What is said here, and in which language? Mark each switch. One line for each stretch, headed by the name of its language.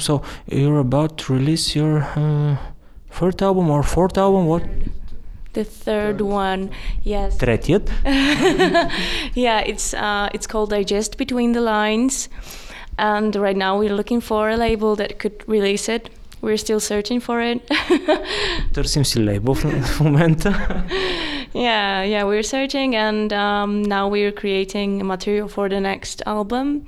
English: So, you're about to release your third album or fourth album? What? The third one, yes.
Bulgarian: Третият.
English: Yeah, it's called Digest Between the Lines. And right now we're looking for a label that could release it. We're still searching for it.
Bulgarian: Търсим си лейбъл в момента.
English: Yeah, we're searching and now we're creating material for the next album.